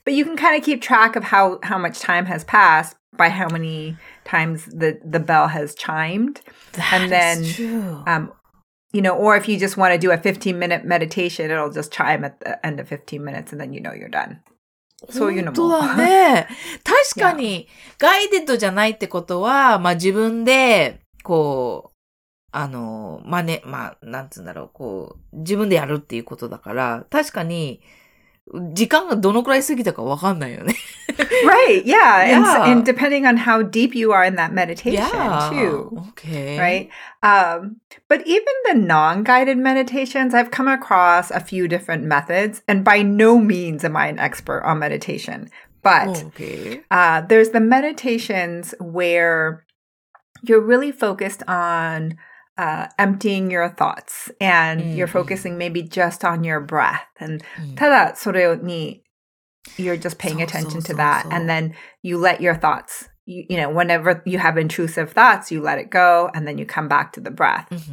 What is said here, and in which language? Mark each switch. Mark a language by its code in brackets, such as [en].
[en] But you can kind of keep track of how much time has passed by how many times the bell has chimed. That's true. You know, or if you just want to do a 15-minute meditation, it'll just chime at the end of 15 minutes and then you know you're done. [ja] そういうのも。本当だね。確かに、ガイデッドじゃないってことは、まあ自分で、こう、なんつうんだろう、こう、自分でやるっていうことだから、確かに、時間がどのくらい過ぎたかわかんないよね。 [en] Right, yeah. Yeah. And depending on how deep you are in that meditation, too. Okay. Right? But even the non-guided meditations, I've come across a few different methods, and by no means am I an expert on meditation. But, there's the meditations where you're really focused on,emptying your thoughts and you're focusing maybe just on your breath and [ja] ただそれに [en] you're just paying attention to that and then you let your thoughts you know whenever you have intrusive thoughts you let it go and then you come back to the breath